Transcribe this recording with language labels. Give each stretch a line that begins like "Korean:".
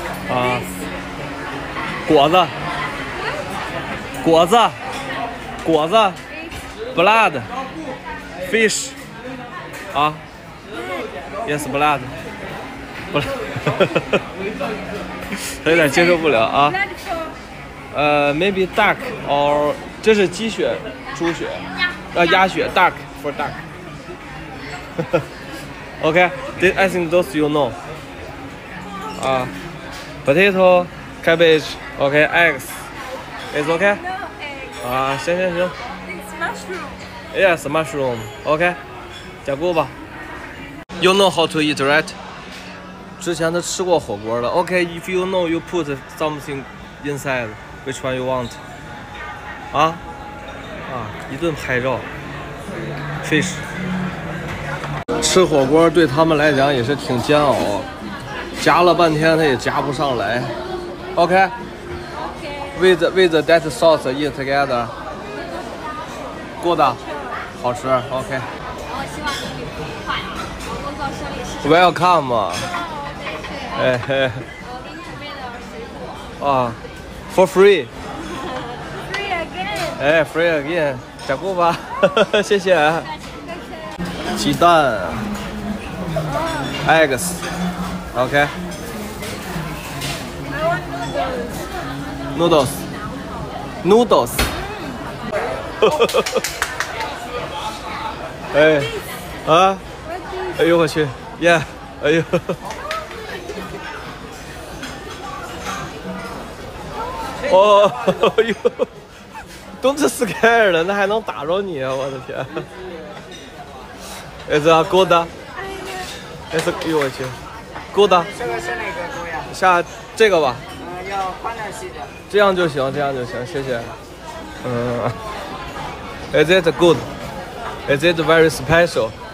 Chinese: 啊，果子，果子，果子 ，blood， fish， 啊 ，
English: yes blood，
Chinese: 不，他有点接受不了啊。
English: maybe duck or
Chinese: 这是鸡血、猪血，鸭血
English: ，duck for duck 。 OK， this I think those you know。啊。 Potato, cabbage, okay, eggs. It's okay? No eggs.
Chinese: 啊，行行行。
English: It's mushroom. Yes, mushroom. Okay.
Chinese: 加锅吧。
English: You know how to eat, right?
Chinese: 之前他吃过火锅了。
English: Okay, if you know, you put something inside. Which one you want? 啊？啊，
Chinese: 一顿拍照。
English: Fish.
Chinese: 吃火锅对他们来讲也是挺煎熬。夹了半天，他也夹不上来。
English: OK with that sauce eat together good
Chinese: 好吃
English: OK
Chinese: 我希望你旅途愉快我工作顺利是 welcome 对对我给你准备的水果
English: for free free again
Chinese: 哎
English: free again
Chinese: 加固吧谢谢鸡蛋 eggs OK noodles noodles 哎啊哎呦我去 yeah 哎呦哦哎呦都这四个人了那还能打着你啊我的天
English: it's a good it's a
Chinese: 哎呦我去 good 这个是哪个锅呀下这个吧要宽亮些的这样就行这样就行谢谢
English: is it good is it very special